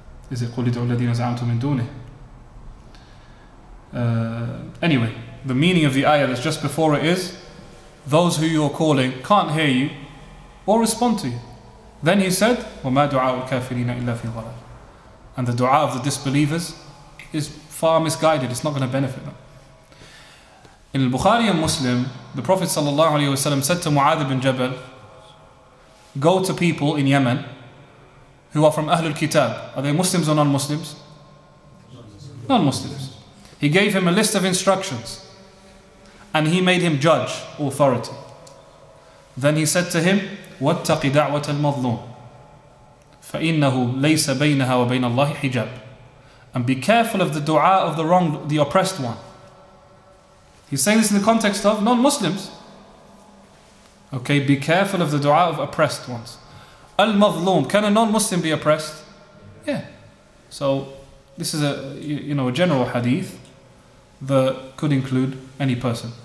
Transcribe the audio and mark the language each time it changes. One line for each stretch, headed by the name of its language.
English: Is it
Arabic: قُلِ دُعُوا الَّذِينَ زَعَمْتُمْ مِنْ دُونِهِ.
English: Anyway, the meaning of the ayah that's just before it is, those who you're calling can't hear you or respond to you. Then he said,
Arabic: وَمَا دُعَاءُ الْكَافِرِينَ إِلَّا فِي غَلَالٍ.
English: And the dua of the disbelievers is far misguided, it's not going to benefit them. In al-Bukhari and Muslim, the Prophet ﷺ said to Mu'adh ibn Jabal, go to people in Yemen who are from Ahlul Kitab. Are they Muslims or non-Muslims? Non-Muslims. He gave him a list of instructions and he made him judge, authority. Then he said to him,
Arabic: وَاتَّقِ دَعْوَةَ الْمَظْلُومِ فَإِنَّهُ لَيْسَ بَيْنَهَا وَبَيْنَ اللَّهِ حِجَابٍ.
English: And be careful of the dua of the wrong, the oppressed one. He's saying this in the context of non-Muslims. Okay, be careful of the dua of oppressed ones. Al-Mazloom, can a non-Muslim be oppressed? Yeah. So, this is a general hadith that could include any person.